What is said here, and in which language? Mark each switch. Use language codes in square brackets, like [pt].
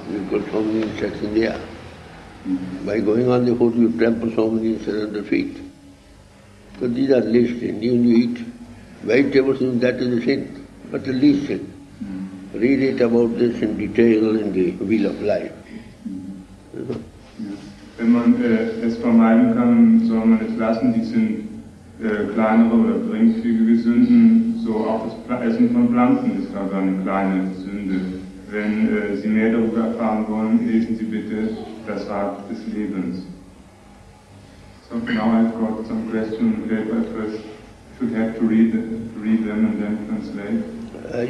[en] You've got so many insects in the air. Mm-hmm. By going on the foot, you trample so many insects on the feet. So these are least sins. Even you eat vegetables, that is a sin, but the least sin. Mm-hmm. Read it about this in detail in the Wheel of Life. Mm-hmm. [de] wenn man es vermeiden kann, soll man es lassen, diesen kleinere oder geringfügige Sünden, so auch das Essen von Pflanzen ist also eine kleine Sünde. Wenn Sie mehr darüber erfahren wollen, lesen Sie bitte das Rad des Lebens. [en] So now I've got some questions that I first should have to read them and then translate.